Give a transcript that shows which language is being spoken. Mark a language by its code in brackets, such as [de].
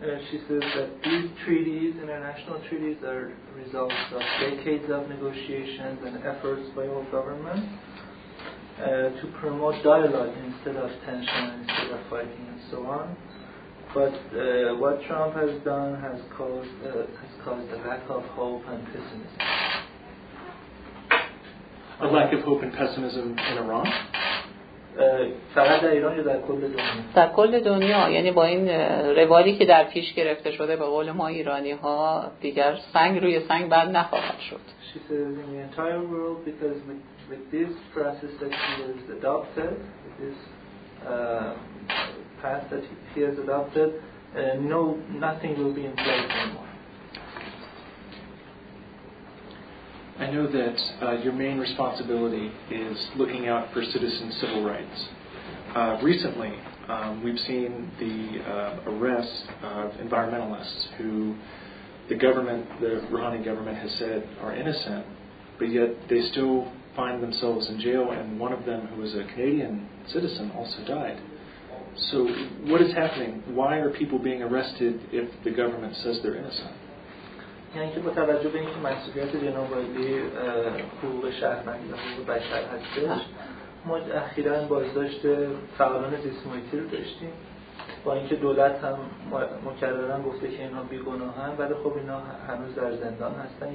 [en] She says that these treaties, international treaties, are results of decades of negotiations and efforts by all governments to promote dialogue instead of tension, instead of fighting, and so on. But what Trump has done has caused a lack of hope and pessimism. A lack of hope and pessimism in Iran? [fa] فقط در ایران یا در کل دنیا؟ در کل دنیا، یعنی با این روالی که در پیش گرفته شده به قول ما ایرانی ها دیگر سنگ روی سنگ بعد نخواهد شد. [en] I know that your main responsibility is looking out for citizen civil rights. Recently, we've seen the arrest of environmentalists who the government, the Rouhani government, has said are innocent, but yet they still find themselves in jail, and one of them, who was a Canadian citizen, also died. So what is happening? Why are people being arrested if the government says they're innocent? [fa] یعنی که با توجه به اینکه مسئولیت جنابالی حقوق شهروندی و حقوق بشر هستش، ما اخیراً بازداشت فعالان زیست‌محیطی رو داشتیم، با اینکه دولت هم مکرراً گفته که اینا بی‌گناهن، ولی خب اینا هنوز در زندان هستن.